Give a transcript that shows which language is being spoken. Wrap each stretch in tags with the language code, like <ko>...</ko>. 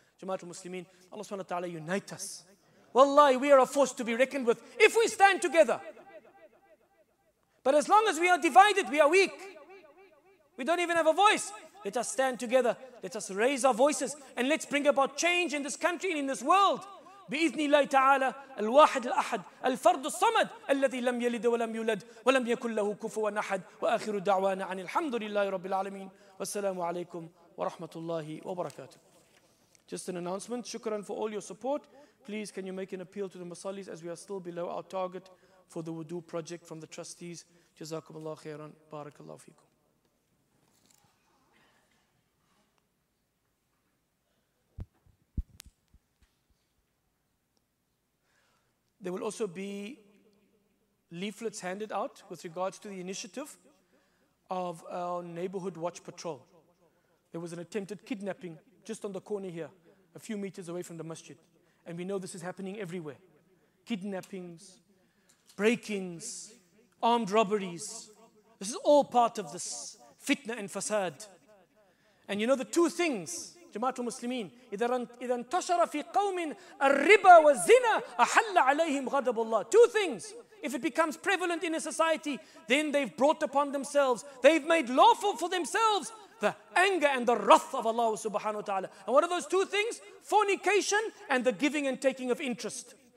<en>Jamaat al-Muslimin,</en> <ar>Allah subhanahu wa ta'ala,</ar> <en>unite us. Wallahi, we are a force to be reckoned with if we stand together. But as long as we are divided, we are weak. We don't even have a voice. Let us stand together. Let us raise our voices. And let's bring about change in this country and in this world.</en> <ar>بإذن الله تعالى الواحد الأحد الفرد الصمد الذي لم يلد ولم يولد ولم يكن له كفوا أحد وآخر دعوانا عن الحمد لله رب العالمين والسلام عليكم ورحمة الله وبركاته.</ar> <en>Just an announcement.</en> <ar>شكرا</ar> <en>for all your support. Please, can you make an appeal to the Masallis as we are still below our target for the Wudu project from the trustees?</en> <ar>Jazakum Allah khairan. Barakallahu fikum.</ar> <en>There will also be leaflets handed out with regards to the initiative of our neighborhood watch patrol. There was an attempted kidnapping just on the corner here, a few meters away from the masjid. And we know this is happening everywhere. Kidnappings, break-ins, armed robberies. This is all part of this fitna and fasad. And you know the two things, Jamaat al-Muslimin,</en> <ar>إِذَا انْتَشَرَ فِي قَوْمٍ الرِّبَى وَالزِّنَى أَحَلَّ عَلَيْهِمْ غَضَبُ اللَّهِ.</ar> <en>Two things. If it becomes prevalent in a society, then they've brought upon themselves, they've made lawful for themselves, the anger and the wrath of Allah subhanahu wa ta'ala. And what are those two things? Fornication and the giving and taking of interest.</en>